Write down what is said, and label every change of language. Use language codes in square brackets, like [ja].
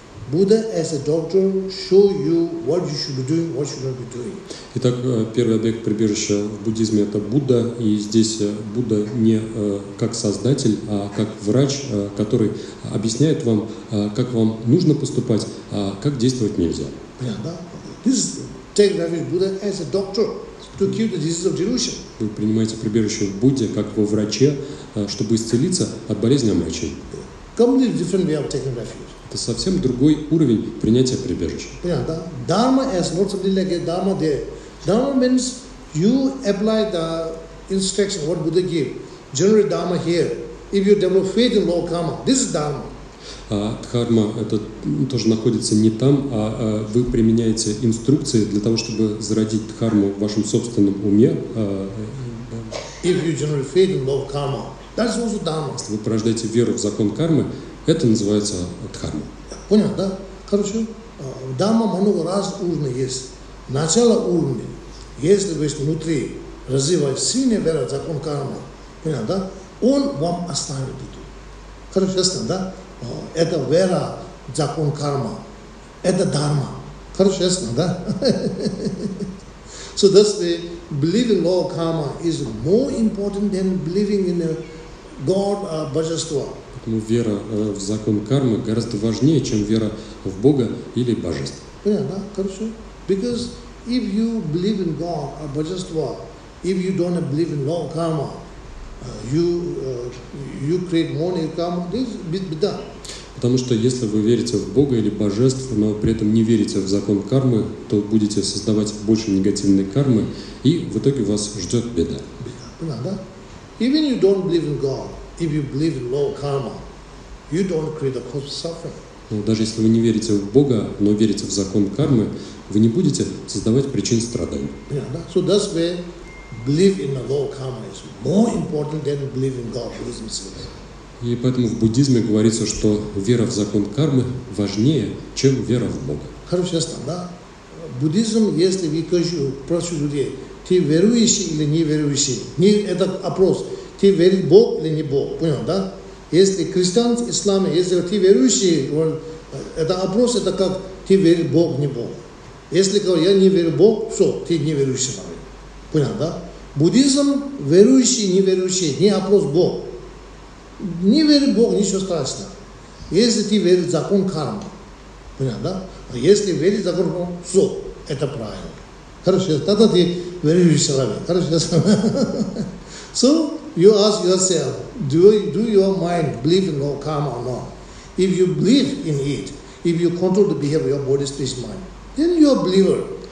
[en] Buddha as a doctor show you what you should be doing, what you should not be doing. [ru] Итак, первый объект прибежища в буддизме это Будда, и здесь Будда не как создатель, а как врач, который объясняет вам, как вам нужно поступать, а как действовать нельзя. [en] This is take refuge Buddha as a doctor to cure the disease of delusion. [ru] Вы принимаете прибежище в Будде как во враче, чтобы исцелиться от болезни омрачений. [en] Completely different way of taking refuge. [ru] Это совсем другой уровень принятия прибежища. Понятно, да? [en] Dharma is not something like a dharma there. Dharma means you apply the instruction what Buddha gave. Generate dharma here. If you develop faith in low karma, this is dharma. [ru] Дхарма это тоже находится не там, а вы применяете инструкции для того, чтобы зародить дхарму в вашем собственном уме. [en] If you generate faith in low karma, that's also dharma. [ru] Если вы порождаете веру в закон кармы, это называется дхарма. Понял, да? Короче, дхарма много раз уровней есть. Начало уровня, если вы внутри развиваете сильную веру в закон кармы, понял, да? Он вам оставит путь. Короче, ясно, да? Это вера в закон кармы. Это дхарма. Короче, ясно, да? [en] So that's the believing law of karma is more important than believing in a God or Божество. [ru] Поэтому вера в закон кармы гораздо важнее, чем вера в Бога или Божество. Понятно, да? Хорошо. [en] Because if you believe in God or Божество, if you don't believe in law of karma, you create more new karma, this is беда. [ru] Потому что если вы верите в Бога или Божество, но при этом не верите в закон кармы, то будете создавать больше негативной кармы, и в итоге вас ждет беда. Беда, понятно, да? [en] Even you don't believe in God, if you believe in law of karma, you don't create a cause of suffering. [ru] Но даже если вы не верите в Бога, но верите в закон кармы, вы не будете создавать причин страданий. Понятно, да? [en] So that's where believe in the law of karma is more important than believe in God, Buddhism says. [ru] И поэтому в буддизме говорится, что вера в закон кармы важнее, чем вера в Бога. Хорошо, ясно, да? Буддизм, если вы просите людей, ты верующий или не верующий? Не этот опрос, ты веришь в Бог или не Бог? Понял, да? Если христиан, ислам, если ты верующий, это опрос, это как ты веришь в Бог, не Бог. Если говорю, я не верю в Бог, все, ты не верующий. Понял, да? Буддизм, верующий, не опрос Бог. Не верь в Бога, ничего страшного. Если ты веришь в закон кармы, понятно, да? А если веришь в закон кармы, все, это правильно. Хорошо, тогда ты веришь в человека. Хорошо, ясно. [en] So, you ask yourself, do your mind believe in law karma or not? If you believe in it, if you control the behavior of your body, speech, mind, then you are a believer.